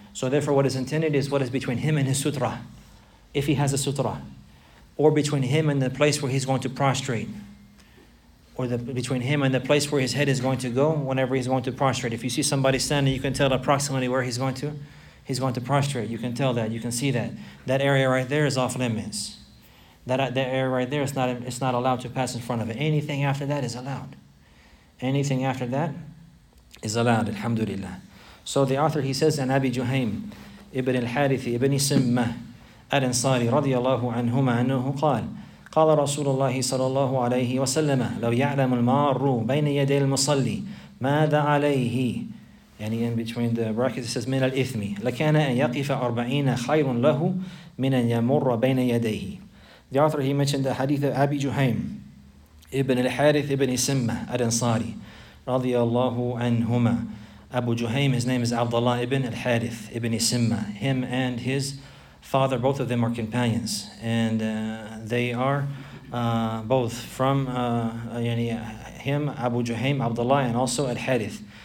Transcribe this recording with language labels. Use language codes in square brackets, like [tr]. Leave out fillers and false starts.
[en] So therefore, what is intended is what is between him and his sutra, if he has a sutra, or between him and the place where he's going to prostrate, or between him and the place where his head is going to go whenever he's going to prostrate. If you see somebody standing, you can tell approximately where he's going to prostrate. You can tell that, you can see that. That area right there is off limits. That area right there, it's not allowed to pass in front of it. Anything after that is allowed. Anything after that is allowed, alhamdulillah. So the author, he says, and Abi Juhaym ibn al-Harithi ibn Simmah al-Ansari radiyallahu anhuma anhu qal, [ar] قال رسول الله صلى الله عليه وسلم لو يعلم المار بين يدي المصلي ماذا عليه يعني [en] in between the brackets it says [ar] من الإثم لكان أن يقف 40 خير له من أن يمر بين يديه. [en] The author, he mentioned the hadith of Abi Juhaym ibn al-Harith ibn Simmah al-Ansari رضي الله عنهما. Abu Juhaym, his name is Abdullah ibn al-Harith ibn Simmah. Him and his father, both of them are companions, and they are both from him, Abu Juhaym, Abdullah, and also Al-Harith.